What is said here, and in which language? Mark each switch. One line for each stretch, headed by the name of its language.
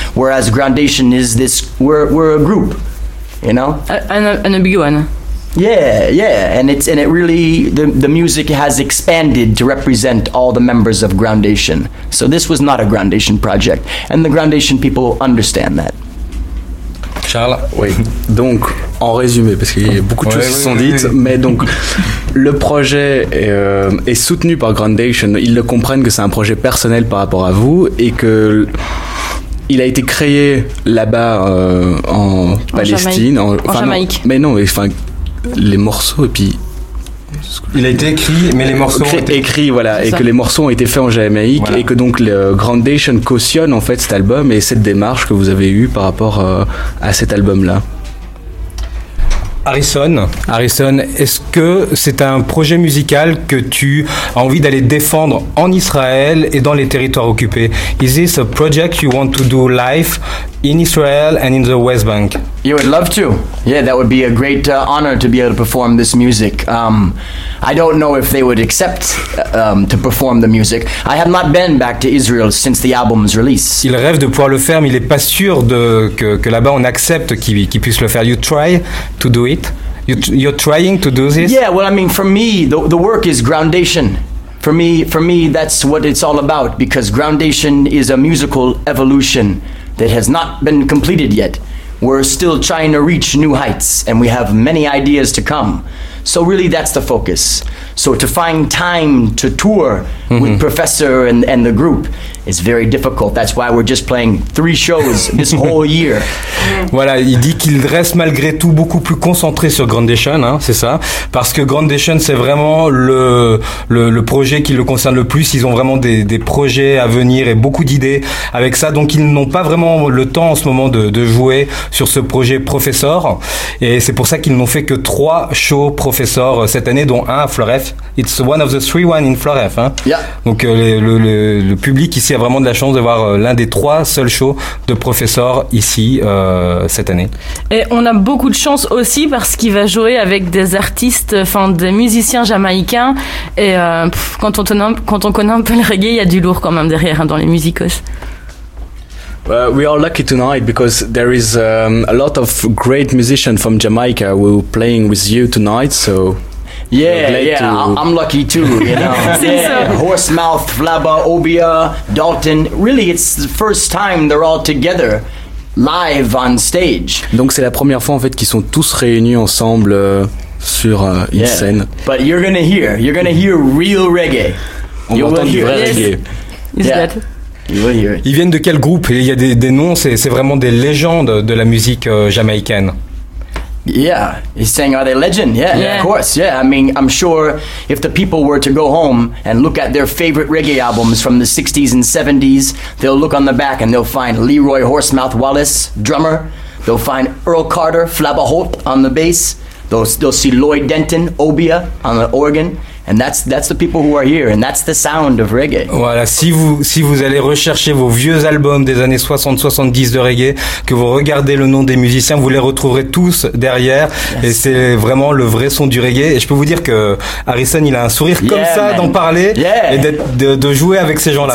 English: Whereas Grandation is this, we're a group. You know, and a big one. Yeah, and it really the music has expanded to represent all the members of Grandation. So this was not a Grandation project, and the Grandation people understand that. Charles,
French: oui. Donc, en résumé, parce qu'il y a beaucoup de choses qui sont dites, mais donc le projet est soutenu par Grandation. Ils le comprennent que c'est un projet personnel par rapport à vous et que. Il a été créé là-bas en Palestine, Jamaïque. Les morceaux et puis. Il a été écrit, mais les morceaux ont été écrits, voilà, et ça. Que les morceaux ont été faits en Jamaïque, voilà. Et que donc le Grandation cautionne en fait cet album et cette démarche que vous avez eue par rapport à cet album-là. Harrison, est-ce que c'est un projet musical que tu as envie d'aller défendre en Israël et dans les territoires occupés?
English: Is this a project you want to do live in Israel and in the West Bank? You would love to. Yeah, that would be a great honor to be able to perform this music. I don't know if they would accept to perform the music. I have not been back to Israel since the album's release.
French: Il rêve de pouvoir le faire, mais il est pas sûr que là-bas on accepte qu'il puisse le faire.
English: You try to do it? You're trying to do this? Yeah, well, I mean, for me, the work is Grandation. For me, that's what it's all about, because Grandation is a musical evolution that has not been completed yet. We're still trying to reach new heights, and we have many ideas to come. So really, that's the focus. So to find time to tour with Professor and the group is very difficult. That's why we're just playing 3 shows this whole year.
French: Voilà, il dit qu'il reste malgré tout beaucoup plus concentré sur Grandation, hein, c'est ça. Parce que Grandation, c'est vraiment le projet qui le concerne le plus. Ils ont vraiment des projets à venir et beaucoup d'idées avec ça. Donc ils n'ont pas vraiment le temps en ce moment de jouer sur ce projet Professor. Et c'est pour ça qu'ils n'ont fait que 3 shows Professor cette année, dont un à Floref.
English: It's one of the 3 ones in Floref.
French: Hein.
English: Yeah.
French: Donc le public ici a vraiment de la chance de voir l'un des trois seuls shows de Professeur ici cette année. Et on a beaucoup de chance aussi parce qu'il va jouer avec des artistes, enfin des musiciens jamaïcains. Et quand on connaît un peu le reggae, il y a du lourd quand même derrière hein, dans les musicos.
English: We are lucky tonight because there is a lot of great musicians from Jamaica who are playing with you tonight. So I'm lucky too. You know, Horsemouth, Flabba, Obia, Dalton. Really, it's the first time they're all together live on stage.
French: Donc c'est la première fois en fait qu'ils sont tous réunis ensemble sur une scène.
English: But you're gonna hear real reggae.
French: On va entendre du vrai reggae. Ils viennent de quel groupe? Il y a des noms, c'est vraiment des légendes de la musique jamaïcaine.
English: Yeah, he's saying are they legend? Yeah, of course. Yeah, I mean, I'm sure if the people were to go home and look at their favorite reggae albums from the 60s and 70s, they'll look on the back and they'll find Leroy Horsemouth Wallace, drummer. They'll find Earl Carter, Flabba Holt on the bass. They'll see Lloyd Denton, Obia on the organ. And that's the people who are here, and that's the sound of reggae.
French: Voilà, si vous allez rechercher vos vieux albums des années 60-70 de reggae, que vous regardez le nom des musiciens, vous les retrouverez tous derrière. Yes. Et c'est vraiment le vrai son du reggae. Et je peux vous dire que Harrison, il a un sourire comme ça,
English: man,
French: d'en parler et de jouer avec ces gens-là.